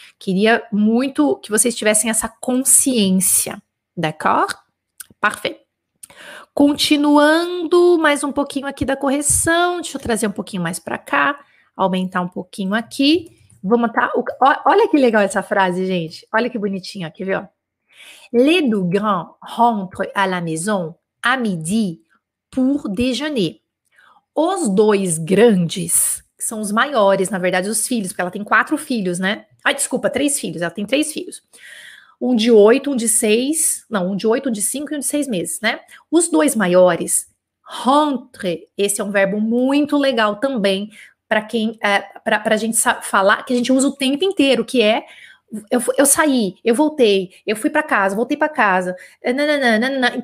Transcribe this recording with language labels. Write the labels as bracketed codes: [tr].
[pt] Queria muito que vocês tivessem essa consciência. [fr] D'accord? Parfait. [pt] Continuando mais um pouquinho aqui da correção, deixa eu trazer um pouquinho mais para cá, aumentar um pouquinho aqui. Vamos tá. Olha que legal essa frase, gente. Olha que bonitinho, aqui, viu? [fr] Les deux grands rentrent à la maison à midi pour déjeuner. [pt] Os dois grandes, que são os maiores, na verdade, os filhos, porque ela tem quatro filhos, né? Ai, desculpa, três filhos, ela tem três filhos. Um de cinco e um de seis meses, né? Os dois maiores, rentre, esse é um verbo muito legal também para quem, para a gente falar, que a gente usa o tempo inteiro, que é, eu saí, eu voltei, eu fui para casa, voltei para casa, nananana.